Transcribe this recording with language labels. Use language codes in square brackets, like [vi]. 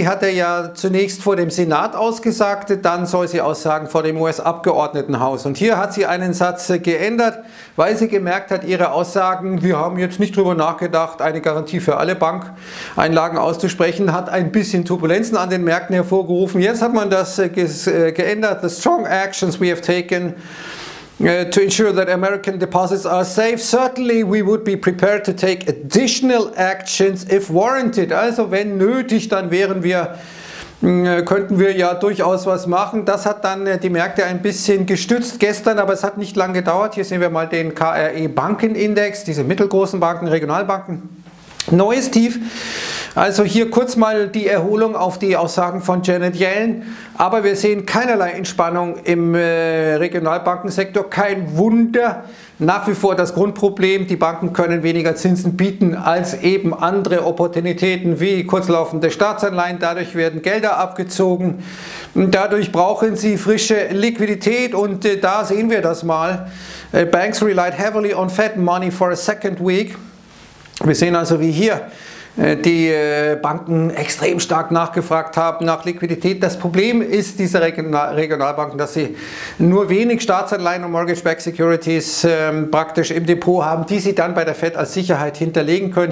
[de] Die hat er ja zunächst vor dem Senat ausgesagt, dann soll sie aussagen vor dem US-Abgeordnetenhaus. Und hier hat sie einen Satz geändert, weil sie gemerkt hat, ihre Aussagen, wir haben jetzt nicht drüber nachgedacht, eine Garantie für alle Bankeinlagen auszusprechen, hat ein bisschen Turbulenzen an den Märkten hervorgerufen. Jetzt hat man das geändert. [en] The strong actions we have taken to ensure that American deposits are safe. Certainly we would be prepared to take additional actions if warranted. [de] Also wenn nötig, dann wären wir, könnten wir ja durchaus was machen. Das hat dann die Märkte ein bisschen gestützt gestern, aber es hat nicht lange gedauert. Hier sehen wir mal den KRE Bankenindex, diese mittelgroßen Banken, Regionalbanken. Neues Tief. Also hier kurz mal die Erholung auf die Aussagen von Janet Yellen. Aber wir sehen keinerlei Entspannung im Regionalbankensektor. Kein Wunder. Nach wie vor das Grundproblem. Die Banken können weniger Zinsen bieten als eben andere Opportunitäten wie kurzlaufende Staatsanleihen. Dadurch werden Gelder abgezogen. Dadurch brauchen sie frische Liquidität. Und da sehen wir das mal. [en] Banks relied heavily on Fed money for a second week. [de] Wir sehen also, wie hier die Banken extrem stark nachgefragt haben nach Liquidität. Das Problem ist dieser Regionalbanken, dass sie nur wenig Staatsanleihen und Mortgage-Backed Securities praktisch im Depot haben, die sie dann bei der Fed als Sicherheit hinterlegen können.